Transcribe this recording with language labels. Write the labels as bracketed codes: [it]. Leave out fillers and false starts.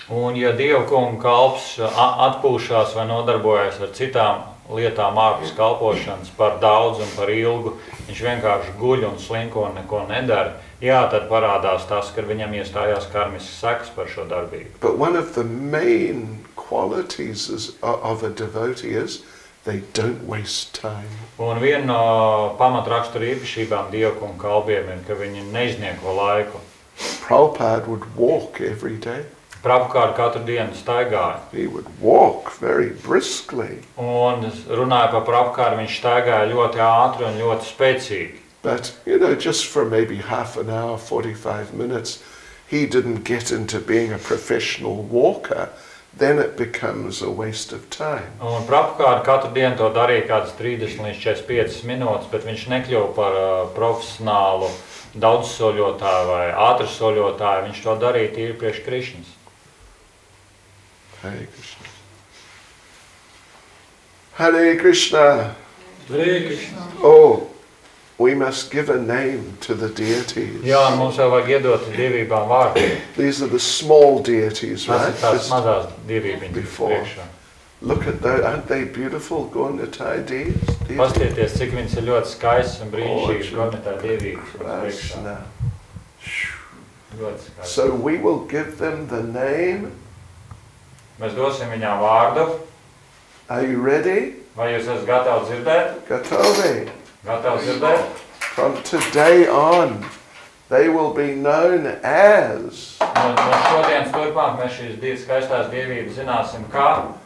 [lv] Un ja Dieva kunga kalps atpūšās vai nodarbojas ar citām lietām ārpus kalpošanas par daudz un par ilgu, viņš vienkārši guļ un slinko un neko nedara. Jā, tad parādās tas, ka viņam iestājās karmiskas sekas par šo darbību. [en] But one of the main qualities of a devotee is They don't waste time. [lv] Un viena no pamatrakstura īpašībām dievkuma kalpiem ir, ka viņi neiznieko laiku. [en] Prabhupāda would walk every day. [lv] Prabhupāda katru dienu staigāja. [en] He would walk very briskly. [lv] Un runāja par Prabhupādu, viņš staigāja ļoti ātri un ļoti spēcīgi. [en] But, you know, just for maybe half an hour, 45 minutes, he didn't get into being a professional walker, then it becomes a waste of time. [lv] Un Prabhupāda katru dienu to darīja kādas 30 līdz 45 minūtes, bet viņš nekļuva par profesionālu daudzsoļotāju vai ātrsoļotāju, viņš to darīja tīri priekš Krišnas. [sa] Hare Krishna. Hare Krishna. Hare Krishna. [en] Oh, we must give a name to the deities. [lv] Jā, mums jau vajag iedot divībām vārdu. [en] These are the small deities, right? [lv] Tās ir mazās divībiņas priekšā. [en] Look at those, aren't they beautiful Gornitai deities? [lv] Paskaties, cik viņas ir ļoti skaistas un brīnišķīgas Gornitai deities. [en] So we will give them the name. [lv] Mēs dosim viņām vārdu. [en] Are you ready? [lv] Vai jūs esat gatavi dzirdēt? Gatavi. Gatavi dzirdēt? [en] From today on, they will be known as... [lv] No šodienas turpmāk mēs šīs divas skaistās dievības zināsim kā...